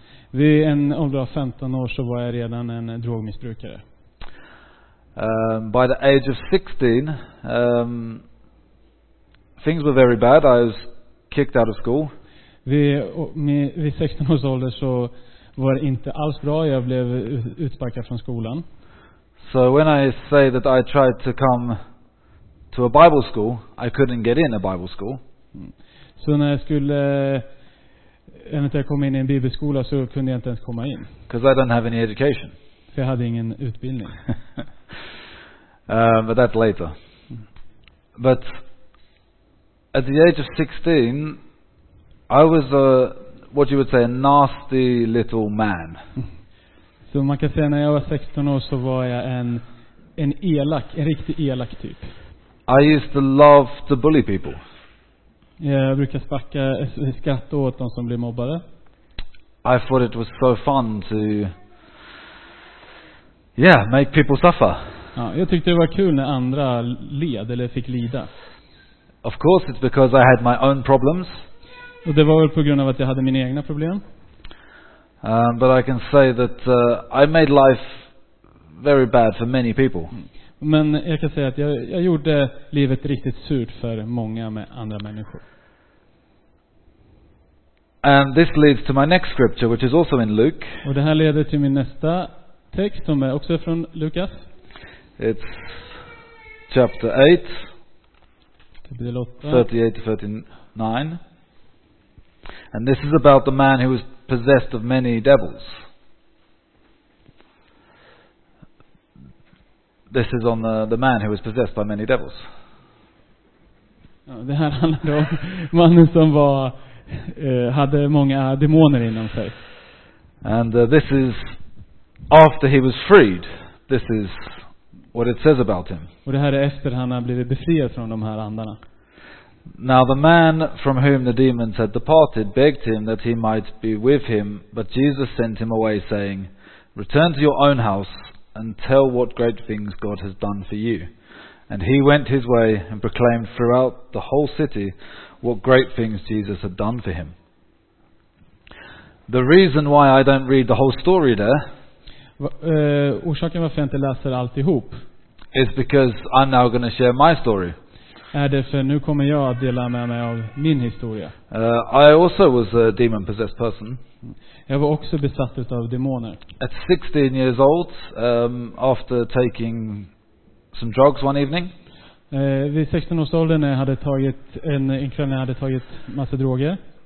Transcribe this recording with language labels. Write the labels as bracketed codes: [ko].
[sv] Vid en ålder av 15 år så var jag redan en drogmissbrukare. [en] By the age of 16 things were very bad. I was kicked out of school. [sv] Vid 16 års ålder så var det inte alls bra. Jag blev utsparkad från skolan. [en] So when I say that I tried to come to a Bible school, I couldn't get in a Bible school. [sv] Så när jag skulle komma in i en bibelskola så kunde jag inte ens komma in. [en] Because I don't have any education. [sv] För jag hade ingen utbildning. [en] But that's later. But at the age of 16, I was a, what you would say, a nasty little man. [sv] Så man kan säga när jag var 16 år så var jag en riktig elak typ. [en] I used to love to bully people. [sv] Jag brukar sparka skatt åt dem som blir mobbade. [en] I thought it was so fun to, yeah, make people suffer. [sv] Ja, jag tyckte det var kul när andra led eller fick lida. [en] Of course, it's because I had my own problems. [sv] Och det var väl på grund av att jag hade mina egna problem. [en] But I can say that I made life very bad for many people. [sv] Men jag kan säga att jag gjorde livet riktigt surt för många med andra människor. [en] And this leads to my next scripture, which is also in Luke. [sv] Och det här leder till min nästa text som är också från Lukas. [en] It's chapter 8. [sv] Kapitel 8. [en] 38-39. And this is about the man who was possessed of many devils. This is on the man who was possessed by many devils. [sv] Det här handlar om mannen som hade många demoner inom sig. [en] And this is after he was freed. This is what it says about him. [sv] Och det här är efter han har blivit befriad från de här andarna. [en] Now the man from whom the demons had departed begged him that he might be with him, but Jesus sent him away saying, return to your own house and tell what great things God has done for you. And he went his way and proclaimed throughout the whole city what great things Jesus had done for him. The reason why I don't read the whole story there [sv] orsaken varför jag inte läser alltihop [en] is because I'm now going to share my story. [sv] Är det för nu kommer jag att dela med mig av min historia. [en] I also was a demon possessed person. [sv] Jag var också besatt av demoner. [en] At 16 years old, after taking some drugs one evening. [sv] Vid 16 års ålder när jag hade tagit en kväll när jag hade tagit massa droger.